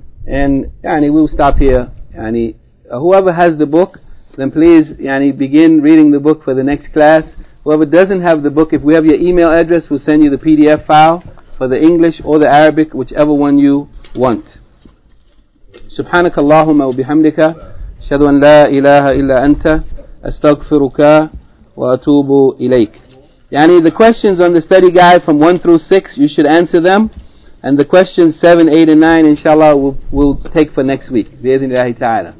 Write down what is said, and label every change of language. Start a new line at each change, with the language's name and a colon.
English: And yani, we will stop here. Yani, whoever has the book, then please yani, begin reading the book for the next class. Whoever doesn't have the book, if we have your email address, we'll send you the PDF file for the English or the Arabic, whichever one you want.
Arabic: سبحانك اللهم وبحمدك أشهد أن لا إله إلا أنت أستغفرك وأتوب إليك.
English: يعني the questions on the study guide from 1 through 6 you should answer them, and the questions 7, 8 and 9 inshallah we'll take for next week
Arabic: بإذن الله تعالى.